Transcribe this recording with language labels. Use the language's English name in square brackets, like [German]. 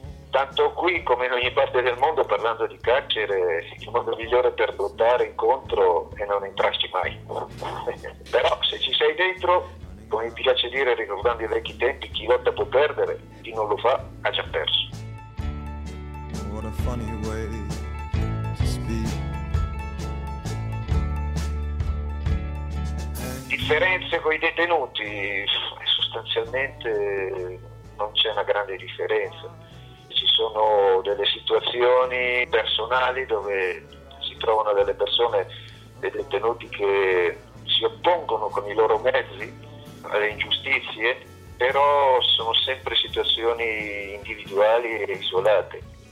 [Italian] Tanto qui come in ogni parte del mondo, parlando di carcere, il modo migliore per lottare incontro è non entrarci mai. Però se ci sei dentro, come mi piace dire ricordando i vecchi tempi, chi lotta può perdere, chi non lo fa ha già perso. [English] What a funny way to speak. [Italian] Differenze con i detenuti, sostanzialmente non c'è una grande differenza. Sono delle situazioni personali dove si trovano delle persone, dei detenuti che si oppongono con i loro mezzi alle ingiustizie, però sono sempre situazioni individuali e isolate.